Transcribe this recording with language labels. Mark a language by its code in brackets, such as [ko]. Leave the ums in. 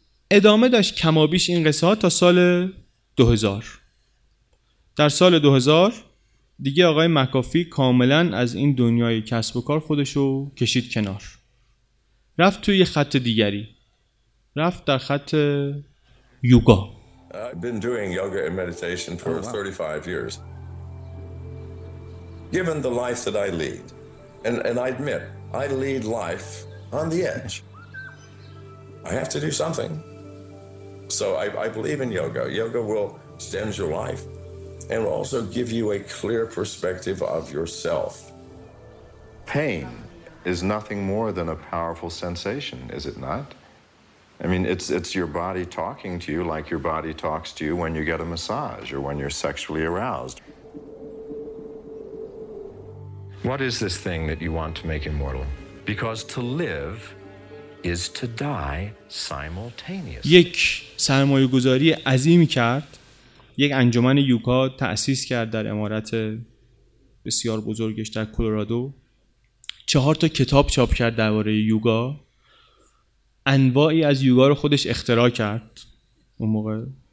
[fa] ادامه داشت کمابیش این قصه ها تا سال 2000 در سال 2000 دیگه آقای مکافی کاملا از این دنیای کسب و کار خودش رو کشید کنار رفت توی یه خط دیگری رفت در خط یوگا [en] I've been doing yoga and meditation for 35 years. Given the life that I lead, and, and I admit, I lead life on the edge. I have to do something. So I, I, believe in yoga. Yoga will extend your life and will also give you a clear perspective of yourself. Pain is nothing more than a powerful sensation, is it not? I mean, it's, it's your body talking to you like your body talks to you when you get a massage or when you're sexually aroused. What is this thing that you want to make immortal? Because to live Is to die [fa] یک سرمایه گذاری عظیمی کرد یک انجمن یوگا تأسیس کرد در امارت بسیار بزرگش در کلرادو چهار تا کتاب چاپ کرد درباره یوگا انواعی از یوگا رو خودش اختراع کرد اون موقع.